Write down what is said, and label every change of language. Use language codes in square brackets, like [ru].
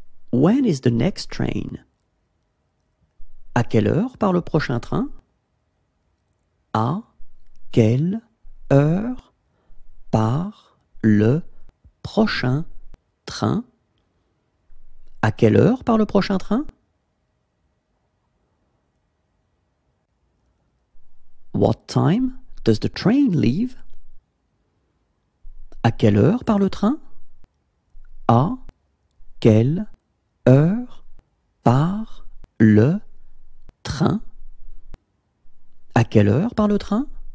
[en] When is the next train? [fr] À quelle heure part le prochain train? À quelle heure part le prochain train? À quelle heure part le prochain train? [en] What time does the train leave? [fr] À quelle heure part le train? À quelle heure part le train? À quelle heure part le train?